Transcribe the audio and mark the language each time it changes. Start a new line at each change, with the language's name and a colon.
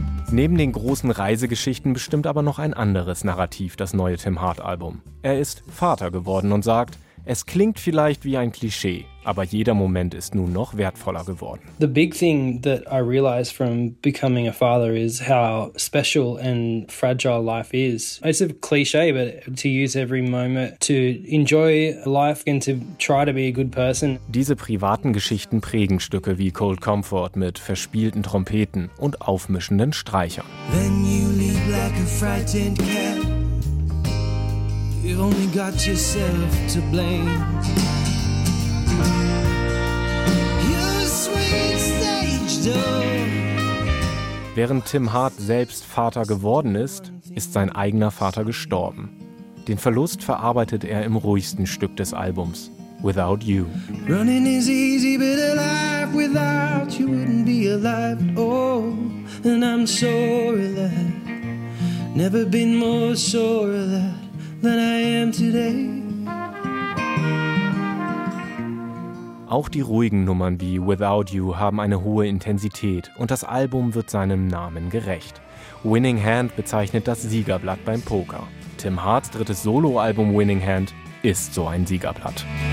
German: Neben den großen Reisegeschichten bestimmt aber noch ein anderes Narrativ das neue Tim Hart Album. Er ist Vater geworden und sagt, es klingt vielleicht wie ein Klischee, aber jeder Moment ist nun noch wertvoller geworden.
English: The big thing that I realize from becoming a father is how special and fragile life is. It's a cliche, but to use every moment to enjoy life and to try to be a good person.
German: Diese privaten Geschichten prägen Stücke wie Cold Comfort mit verspielten Trompeten und aufmischenden Streichern.
English: When you leave like a frightened cat. You only got yourself to blame. Your sweet stage door.
German: Während Tim Hart selbst Vater geworden ist, ist sein eigener Vater gestorben. Den Verlust verarbeitet er im ruhigsten Stück des Albums, Without You.
English: Running is easy, but alive without you wouldn't be alive at all. And I'm sore of that. Never been more sore of that. Than I am today.
German: Auch die ruhigen Nummern wie Without You haben eine hohe Intensität und das Album wird seinem Namen gerecht. Winning Hand bezeichnet das Siegerblatt beim Poker. Tim Harts drittes Soloalbum Winning Hand ist so ein Siegerblatt.